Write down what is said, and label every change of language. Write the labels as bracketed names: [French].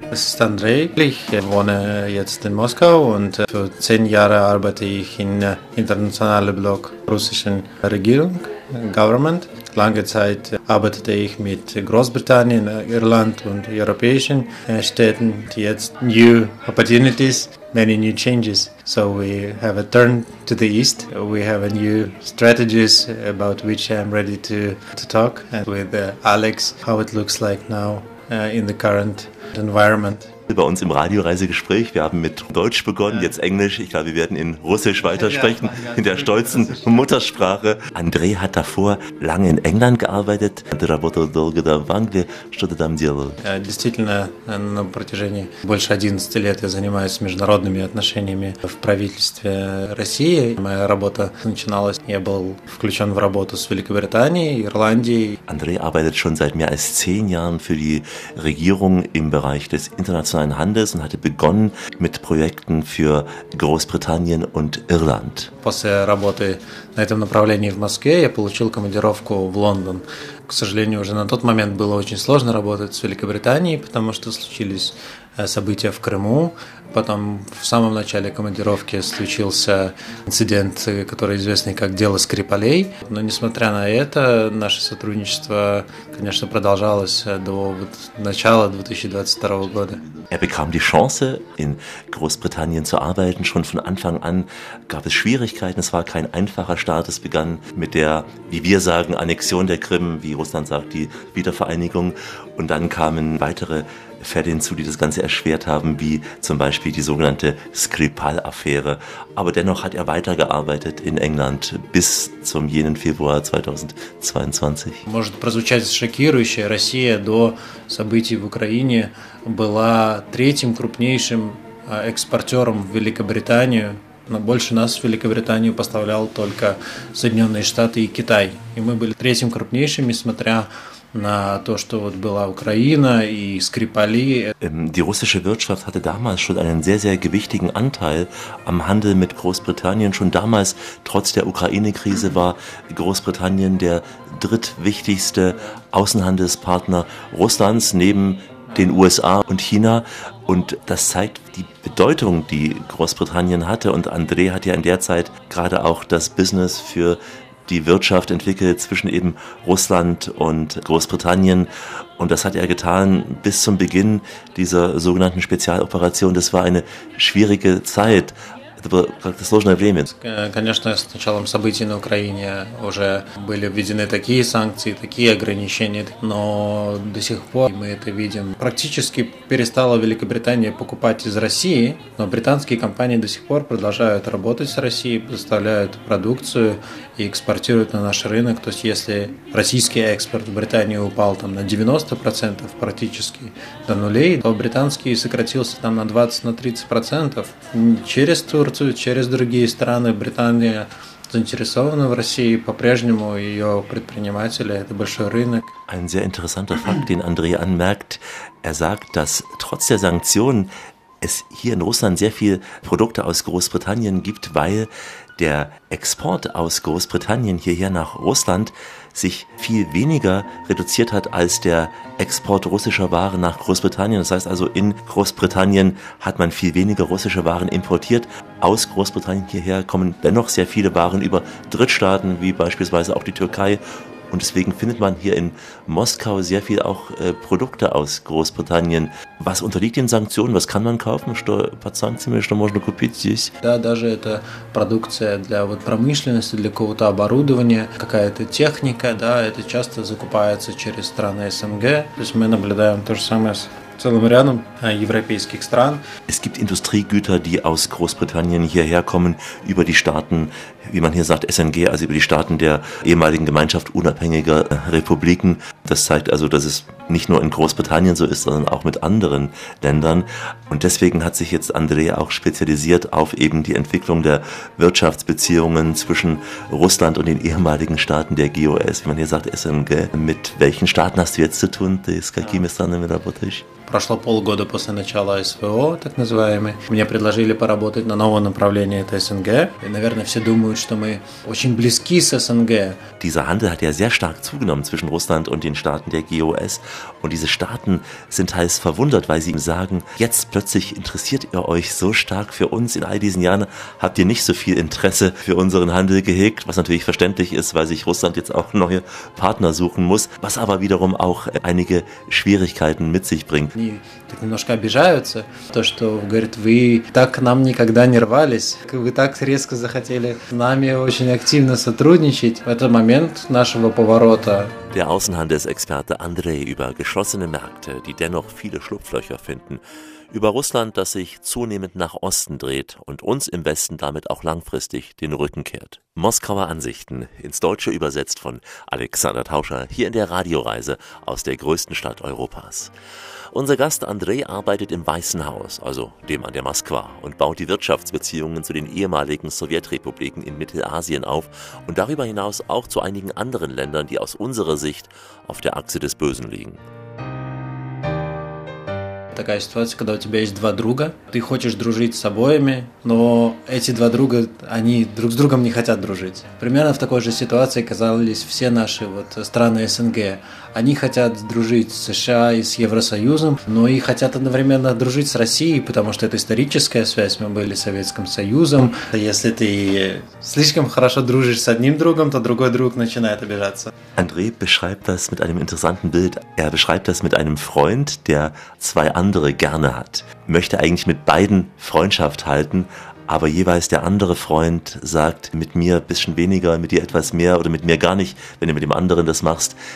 [German] Es ist Andrei, ich wohne jetzt in Moskau und für 10 Jahre arbeite ich im internationalen Block russischen Regierung. [English] Government. [German] Lange Zeit arbeitete ich mit Großbritannien, Irland und europäischen Städten. Jetzt [English] new opportunities, many new changes. So we have a turn to the east. We have a new strategies about which I'm ready to talk and with Alex, how it looks like now in the current environment. [German] Bei uns im Radioreisegespräch. Wir haben mit Deutsch begonnen, jetzt Englisch. Ich glaube, wir werden in Russisch weitersprechen, in der stolzen Muttersprache. André hat davor lange in England gearbeitet. [Russian] Действительно, на протяжении больше 11 лет я занимаюсь международными отношениями в правительстве России. Моя работа начиналась, я был включен в работу с Великобританией, Ирландией. [German] André arbeitet schon seit mehr als 10 Jahren für die Regierung im Bereich des internationalen Handels und hatte begonnen mit Projekten für Großbritannien und Irland. [Russian] После работы на этом направлении в Москве я получил командировку в Лондон. К сожалению, уже на тот момент было очень сложно работать с Великобританией, потому что случились события в Крыму. Потом в самом начале командировки случился инцидент, который известный как «Дело Скрипалей». Но несмотря на это, наше сотрудничество, конечно, продолжалось до начала 2022 года. [German] Er bekam die Chance, in Großbritannien zu arbeiten. Schon von Anfang an gab es Schwierigkeiten. Es war kein einfacher Start. Es begann mit der, wie wir sagen, Annexion der Krim, wie Russland sagt, die Wiedervereinigung. Und dann kamen weitere Fälle hinzu, die das Ganze erschwert haben, wie zum Beispiel die sogenannte Skripal-Affäre. Aber dennoch hat er weitergearbeitet in England bis zum jenen Februar 2022. [Russian] Может прозвучать шокирующе, Россия до событий в Украине была третьим крупнейшим экспортером в Великобританию. Но больше нас в Великобританию поставлял только Соединенные Штаты и Китай. И мы были третьим крупнейшим, несмотря на то, что вот была Украина и Скрипали. [German] Die russische Wirtschaft hatte damals schon einen sehr, sehr gewichtigen Anteil am Handel mit Großbritannien. Schon damals, trotz der Ukraine-Krise, war Großbritannien der drittwichtigste Außenhandelspartner Russlands neben den USA und China. Und das zeigt die Bedeutung, die Großbritannien hatte. Und André hat ja in der Zeit gerade auch das Business für die Wirtschaft entwickelt zwischen eben Russland und Großbritannien. Und das hat er getan bis zum Beginn dieser sogenannten Spezialoperation. Das war eine schwierige Zeit. [Russian] Это было как-то сложное время. Конечно, с началом событий на Украине уже были введены такие санкции, такие ограничения, но до сих пор мы это видим. Практически перестала Великобритания покупать из России, но британские компании до сих пор продолжают работать с Россией, поставляют продукцию и экспортируют на наш рынок. То есть если российский экспорт в Британию упал там на 90% практически до нулей, то британский сократился там на 20-30%. Через то через другие страны. Британия заинтересована в России по-прежнему, ее предприниматели, это большой рынок. [German] Ein sehr interessanter Fakt, den André anmerkt. Er sagt, dass trotz der Sanktionen es hier in Russland sehr viele Produkte aus Großbritannien gibt, weil der Export aus Großbritannien hierher nach Russland sich viel weniger reduziert hat als der Export russischer Waren nach Großbritannien. Das heißt also, in Großbritannien hat man viel weniger russische Waren importiert. Aus Großbritannien hierher kommen dennoch sehr viele Waren über Drittstaaten, wie beispielsweise auch die Türkei. Und deswegen findet man hier in Moskau sehr viel auch Produkte aus Großbritannien. Was unterliegt den Sanktionen? Was kann man kaufen? [Russian] Что по санкциям, что можно купить здесь? Да, даже это продукция для вот промышленности, для какого-то оборудования, какая-то техника, да, это часто закупается через страны СНГ. То есть мы наблюдаем то же самое с целым рядом европейских стран. [German] Es gibt Industriegüter, die aus Großbritannien hierher kommen, über die Staaten, wie man hier sagt, SNG, also über die Staaten der ehemaligen Gemeinschaft unabhängiger Republiken. Das zeigt also, dass es nicht nur in Großbritannien so ist, sondern auch mit anderen Ländern. Und deswegen hat sich jetzt André auch spezialisiert auf eben die Entwicklung der Wirtschaftsbeziehungen zwischen Russland und den ehemaligen Staaten der GOS, wie man hier sagt, SNG. Mit welchen Staaten hast du jetzt zu tun? Das ist ja. [Russian] прошло полгода после начала СВО, так называемый. Мне предложили поработать на новое направление, это СНГ. И, наверное, все думают, что мы очень близки с СНГ. [German] Dieser Handel hat ja sehr stark zugenommen zwischen Russland und den Staaten der GOS. Und diese Staaten sind teils verwundert, weil sie ihm sagen, jetzt plötzlich interessiert ihr euch so stark für uns. In all diesen Jahren habt ihr nicht so viel Interesse für unseren Handel gehegt, was natürlich verständlich ist, weil sich Russland jetzt auch neue Partner suchen muss, was aber wiederum auch einige Schwierigkeiten mit sich bringt. [Russian] Die, так немножко обижаются, то, что, говорит, вы так к нам никогда не рвались, вы так резко захотели с нами очень активно сотрудничать в этот момент нашего поворота. [German] Der Außenhandelsexperte Andrei über geschlossene Märkte, die dennoch viele Schlupflöcher finden, über Russland, das sich zunehmend nach Osten dreht und uns im Westen damit auch langfristig den Rücken kehrt. Moskauer Ansichten, ins Deutsche übersetzt von Alexander Tauscher, hier in der Radioreise aus der größten Stadt Europas. Unser Gast Andrei arbeitet im Weißen Haus, also dem an der Moskwa, und baut die Wirtschaftsbeziehungen zu den ehemaligen Sowjetrepubliken in Mittelasien auf und darüber hinaus auch zu einigen anderen Ländern, die aus unserer Sicht auf der Achse des Bösen liegen. [Russian] Такая ситуация, когда у тебя есть два друга, ты хочешь дружить с обоими, но эти два друга, они друг с другом не хотят дружить. Примерно в такой же ситуации оказались все наши вот страны СНГ. Они хотят дружить с США и с Евросоюзом, но и хотят одновременно дружить с Россией, потому что это историческая связь, мы были с Советским Союзом. Если ты слишком хорошо дружишь с одним другом, то другой друг начинает обижаться. [German] Андрей beschreibt das mit einem interessanten Bild. Er beschreibt das mit einem Freund, der zwei andere gerne hat, möchte eigentlich mit beiden Freundschaft halten, aber jeweils der andere Freund sagt, mit mir ein bisschen weniger, mit dir etwas mehr oder mit mir gar nicht, wenn du mit dem anderen das machst.